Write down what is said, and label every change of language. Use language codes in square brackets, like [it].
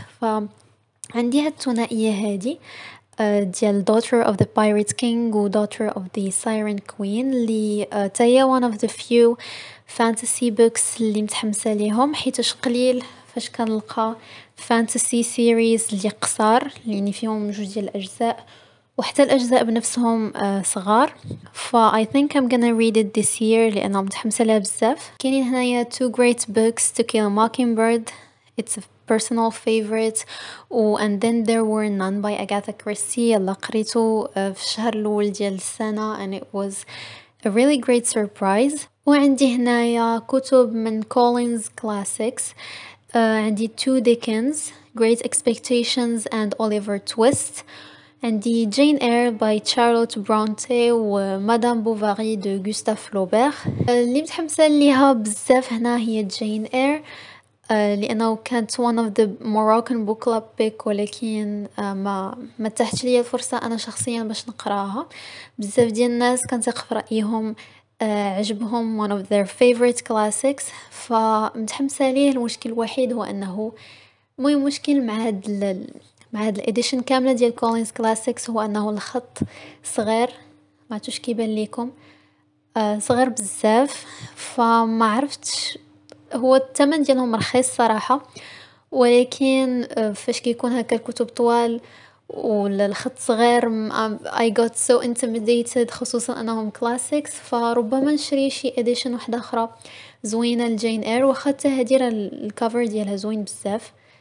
[ar] فعندي هالثنائية هادي ديال Daughter of the Pirate King و Daughter of the Siren Queen اللي تايا [en] one of the few fantasy books [ar] اللي متحمسة ليهم حيتش قليل فاش كنلقى [en] fantasy series [ar] اللي قصار يعني فيهم جوج ديال الأجزاء وحتى الأجزاء بنفسهم صغار. [en] ف I think I'm gonna read it this year [ar] لأنها متحمسة لها بزاف. كاينين هنايا [en] two great books To Kill a Mockingbird it's a personal favorite and then there were none by Agatha Christie [ar] يلا قريته في الشهر الأول ديال السنة [en] and it was a really great surprise. [ar] وعندي هنايا كتب من Collins Classics. عندي [en] two [ar] Dickens Great Expectations and Oliver Twist. عندي جين اير باي تشارلوت برونتي ومدام بوفاري دو غوستاف فلوبير. اللي متحمسه ليها بزاف هنا هي جين اير لانه كانت [en] one of the Moroccan book club pick [ar] ولكن ما تحتش لي الفرصه انا شخصيا باش نقراها. بزاف ديال الناس كنثق في رايهم عجبهم [en] one of their favorite classics، [ar] فمتحمسة ليه. المشكل الوحيد هو أنه مو مشكل مع هاد الإديشن كاملة ديال كولينز كلاسيكس، هو أنه الخط صغير، ما توش كيبان ليكم، صغير بزاف، فما عرفتش. هو الثمن ديالهم رخيص صراحة، ولكن فاش كيكون هكا الكتب طوال والخط صغير [en] I got so intimidated، [ar] خصوصا انهم كلاسيكس، فربما نشري شي اديشن واحدة اخرى زوينة لجين اير، وخدت هدير الكفر ديالها زوين بزاف.